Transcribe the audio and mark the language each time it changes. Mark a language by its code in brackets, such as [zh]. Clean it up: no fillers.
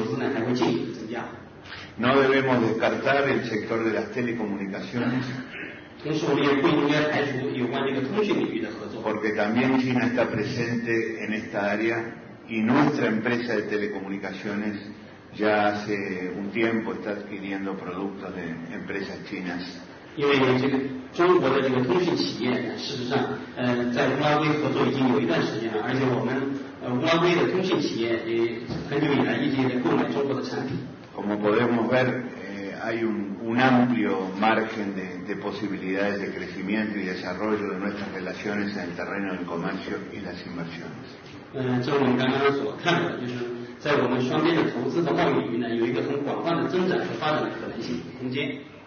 [zh] 在这方面呢，中国也有不少的投资，我认为在未来呢，这个投资呢还会进一步增加。 [es] No debemos descartar el sector de las telecomunicaciones. [zh] 同时，我们也不应该排除有关这个通讯领域的合作。 [es] Porque también China está presente en esta área y nuestra empresa de telecomunicaciones ya hace un tiempo está adquiriendo productos de empresas chinas [zh] 因为这个中国的这个通讯企业事实上在乌拉圭合作已经有一段时间了，而且我们乌拉圭的通讯企业也很久以来一直在购买中国的产品。 [es] Como podemos ver, hay un amplio margen de posibilidades de crecimiento y desarrollo de nuestras relaciones en el terreno del comercio y las inversiones. [zh] 这我们刚刚所看到的，就是在我们双边的投资和贸易领域呢，有一个很广泛的增长和发展的可能性空间。